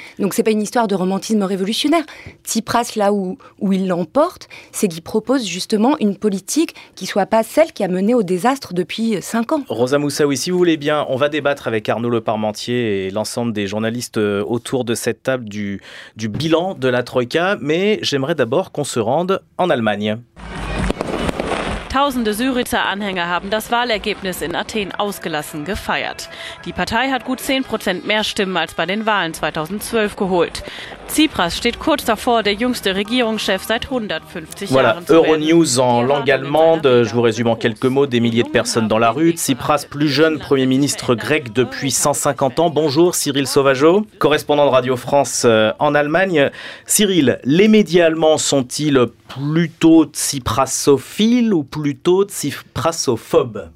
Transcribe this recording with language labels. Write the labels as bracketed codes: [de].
[fr] Donc c'est pas une histoire de romantisme révolutionnaire. Tsipras, là où il l'emporte, c'est qu'il propose justement une politique qui soit pas celle qui a mené au désastre depuis 5 ans. Rosa Moussaoui, si vous voulez bien, on va débattre avec Arnaud Leparmentier et l'ensemble des journalistes autour de cette table du bilan de la Troïka, mais j'aimerais d'abord qu'on se rende en Allemagne. [de] Tausende Syriza Anhänger haben das Wahlergebnis in Athen ausgelassen gefeiert. Die Partei hat gut 10% mehr Stimmen als bei den Wahlen 2012 geholt. Tsipras steht kurz davor, der jüngste Regierungschef seit 150 [fr] voilà, [de] Jahren zu werden. [fr] Voilà, Euronews en langue allemande. Je vous résume en quelques mots, des milliers de personnes dans la rue. Tsipras, plus jeune premier ministre grec depuis 150 ans. Bonjour Cyril Sauvageau, correspondant de Radio France en Allemagne. Cyril, les médias allemands sont-ils plutôt tsiprasophiles ou plutôt tsiprasophobes?